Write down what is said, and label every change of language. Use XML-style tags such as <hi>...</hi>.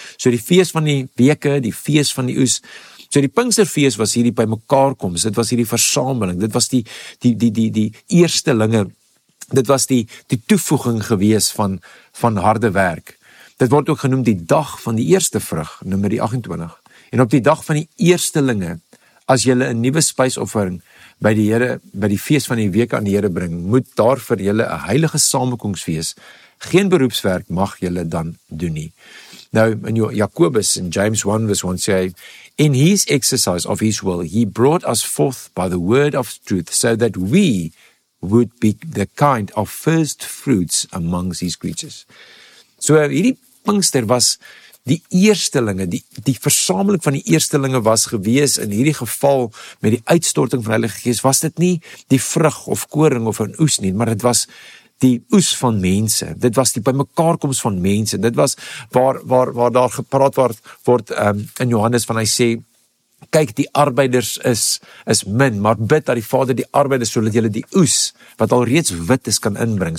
<af>So die Fees van die Weke, die Fees van die Oes. So die Pinksterfees was hierdie by mekaar kom, dit was hierdie versameling, dit was die eerstelinge, dit was die toevoeging gewees van harde werk. Dit word ook genoem die dag van die eerste vrug, nummer 28. En op die dag van die eerstelinge, as julle 'n nuwe spysoffering by die Here, by die Fees van die Week aan die Here bring, moet daar vir julle 'n heilige samekoms wees. Geen beroepswerk mag julle dan doen nie. Nou, in Jakobus, in James 1, verse 1, sê hy,</af> <en>in his exercise of his will, he brought us forth by the word of truth, so that we would be the kind of first fruits amongst his creatures.</en> <af>So, hierdie Pinkster was die eerstelinge, die versameling van die eerstelinge was gewees in hierdie geval met die uitstorting van Heilige Gees, was dit nie die vrug of koring of 'n oes nie, maar dit was die oes van mense. Dit was die bymekaarkoms van mense. Dit was waar daar gepraat word in Johannes, van hy sê, kyk, die arbeiders is min, maar bid dat die Vader die arbeiders, sodat julle die oes, wat alreeds wit is, kan inbring.</af>